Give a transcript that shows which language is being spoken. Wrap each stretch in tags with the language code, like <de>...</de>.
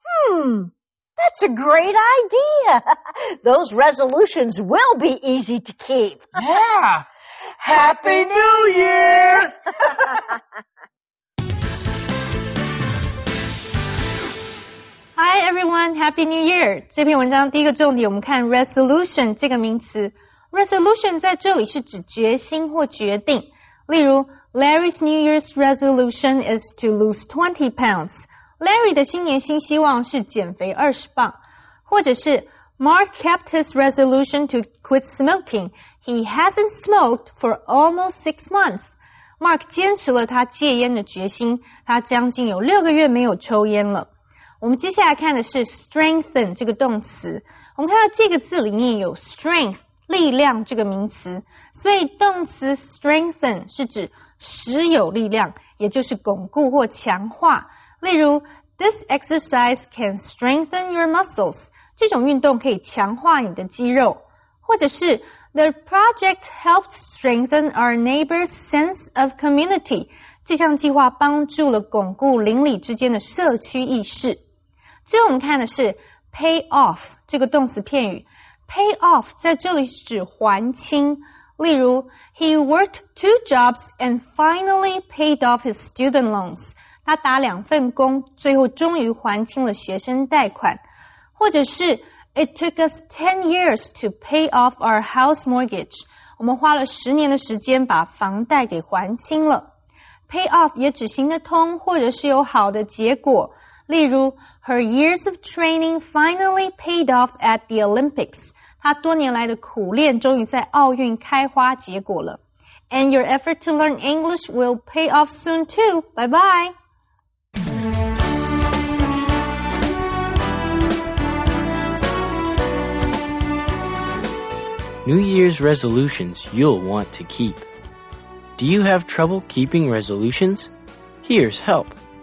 <en>That's a great idea. Those resolutions will be easy to keep. Yeah. Happy New Year! Hi everyone, Happy New Year!</en> <zh>这篇文章第一个重点我们看 resolution 这个名词。 Resolution 在这里是指决心或决定。</zh> <en>例如 Larry's New Year's resolution is to lose 20 pounds.</en> <zh>Larry 的新年新希望是减肥20磅。</zh> <en>或者是 Mark kept his resolution to quit smoking. He hasn't smoked for almost 6 months.</en> <zh>Mark 坚持了他戒烟的决心，他将近有6个月没有抽烟了。我们接下来看的是 strengthen 这个动词。我们看到这个字里面有 strength 力量这个名词，所以动词 strengthen 是指使有力量，也就是巩固或强化。例如</zh> <en>This exercise can strengthen your muscles，</en> <zh>这种运动可以强化你的肌肉。或者是</zh> <en>The project helped strengthen our neighbor's sense of community，</en> <zh>这项计划帮助了巩固邻里之间的社区意识。最后我们看的是 pay off 这个动词片语。 pay off 在这里是指还清。</zh> <en>例如 ,he worked two jobs and finally paid off his student loans.</en> <zh>他打两份工，最后终于还清了学生贷款。</zh> <en>或者是 ,it took us 10 years to pay off our house mortgage.</en> <zh>我们花了10年的时间把房贷给还清了。 Pay off 也只行得通或者是有好的结果。</zh> <en>例如 ,her years of training finally paid off at the Olympics.</en> <zh>她多年来的苦练终于在奥运开花结果了。</zh> <en>And your effort to learn English will pay off soon too. Bye bye! New Year's resolutions you'll want to keep. Do you have trouble keeping resolutions? Here's help.</en>